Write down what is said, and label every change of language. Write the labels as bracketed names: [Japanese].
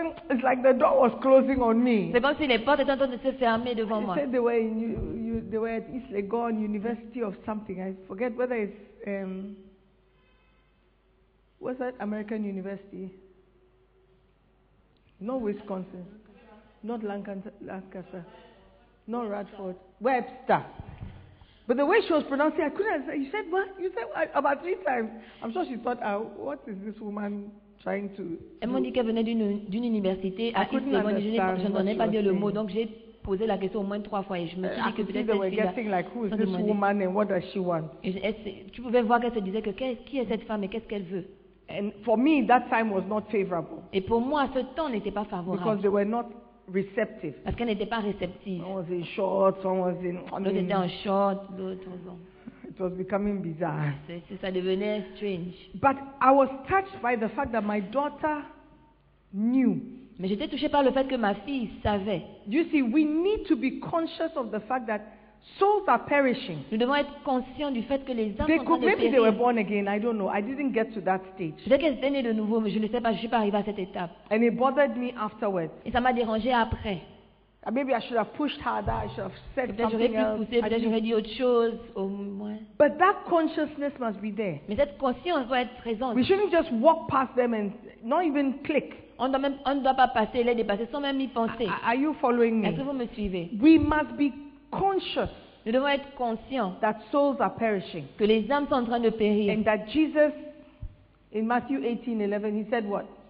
[English] It's like the door was closing on me. [French] C'est comme si les portes étaient en train de se fermer devant moi. [English] They said they were at East Legon University of something. I forget whether it's what's that American university? Not Wisconsin. Not Lancaster. Not Radford. Webster. But the way she was pronouncing, I couldn't say. You said what? You said what? About three times. I'm sure she thought, what is this woman trying to do? [French] Elle m'a dit qu'elle venait d'une université à Eastlake. Je n'entendais pas dire le mot, donc j'ai posé la question au moins trois fois et je me suis dit que peut-être cette fille-là. [English] Guessing, like, who is this demander. Woman and what does she want? [French] Tu pouvais voir qu'elle se disait que qui est cette femme et qu'est-ce qu'elle veut? [English] And for me, that time was not favorable. [French] Et pour moi, ce temps n'était pas favorable. [English] Because they were not receptive. [French] Parce qu'elle n'était pas réceptive. [English] One was in shorts, one was in. [French] L'autre était en short, l'autre en. [English] It was becoming bizarre. [French] C'est, ça devenait [English] strange. But I was touched by the fact that my daughter knew. [French] Mais j'étais touchée par le fait que ma fille savait. [English] You see, we need to be conscious of the fact that souls are perishing. [French] Nous devons être conscients du fait que les âmes [English] they [French] sont en train de périr. [English] Maybe they were born again. I don't know. I didn't get to that stage. [French] Peut-être qu'elles étaient nées de nouveau, mais je ne sais pas. Je ne suis pas arrivée à cette étape. [English] And it bothered me afterwards. [French] Et ça m'a dérangée après. [English] Maybe I should have pushed harder. I should have said [French] peut-être [English] something [French] j'aurais pu [English] else. [French] Pousser, peut-être j'aurais dit autre chose au moins. [English] But that consciousness must be there. [French] Mais cette conscience doit être présente. [English] We shouldn't just walk past them and not even click. [French] On ne doit pas passer, les dépasser sans même y penser. [English] Are you following me? [French] Est-ce que vous me suivez? [English] We must be conscious. [French] Nous devons être conscients. [English] That souls are perishing. [French] Que les âmes sont en train de périr. [English] And that Jesus, in Matthew 18:11, he said what?